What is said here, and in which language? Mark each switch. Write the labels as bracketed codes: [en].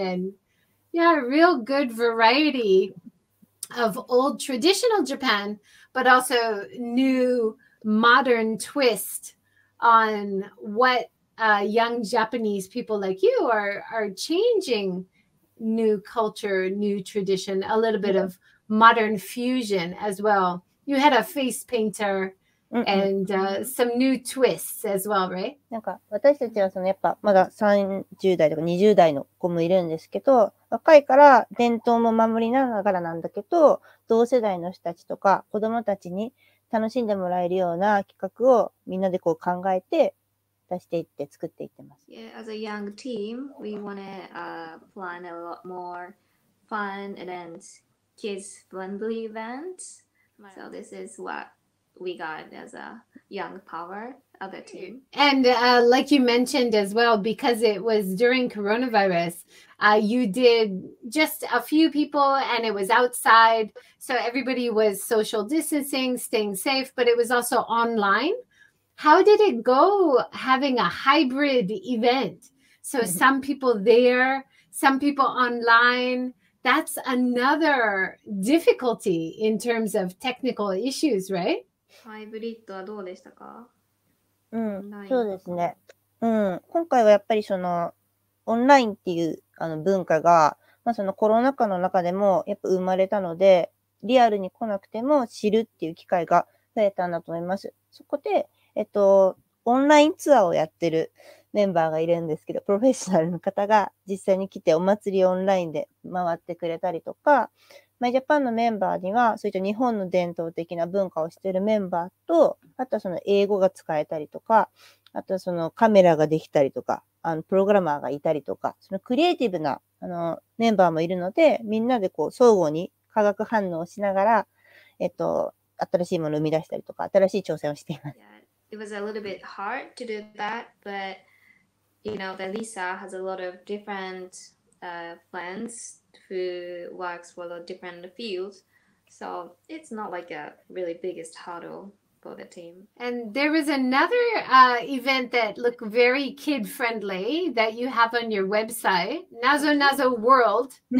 [en] And yeah, real good variety of old traditional Japan, but also new modern twist on what young Japanese people like you are changing. New culture, new tradition, a little bit of modern fusion as well. You had a face painter and some new twists as well, right? [ja] なんか私たちはそのやっぱまだ30代とか20代の子もいるんですけど、若いから伝統も守りながらなんだけど、同世代の人たちとか子供たちに楽しんでもらえるような企画をみんなでこう考えて、出していって作っていってます。 [en] Yeah, as a young team, we want to plan a lot more fun and kids-friendly events. So this is what we got as a young power other team. And like you mentioned as well, because it was during coronavirus, you did just a few people and it was outside. So everybody was social distancing, staying safe, but it was also online. How did it go having a hybrid event? So some people there, some people online. That's another difficulty in terms of technical issues, right? [ja] ハイブリッドはどうでしたか？うん、そうですね。うん、今回はやっぱりそのオンラインっていうあの文化が、まあ、そのコロナ禍の中でもやっぱ生まれたので、リアルに来なくても知るっていう機会が増えたんだと思います。そこで、オンラインツアーをやってるメンバーがいるんですけど、プロフェッショナルの方が実際に来てお祭りオンラインで回ってくれたりとか、マイジャパンのメンバーには、そういった日本の伝統的な文化をしているメンバーと、あとはその英語が使えたりとか、あとはそのカメラができたりとか、あのプログラマーがいたりとか、そのクリエイティブなあのメンバーもいるので、みんなでこう相互に化学反応をしながら、新しいものを生み出したりとか、新しい挑戦をしています。 [en] Yeah. It was a little bit hard to do that, but you know that Lisa has a lot of different plans. Who works for the different fields. So it's not like a really biggest hurdle for the team. And there was another event that looked very kid friendly that you have on your website, Nazo Nazo World.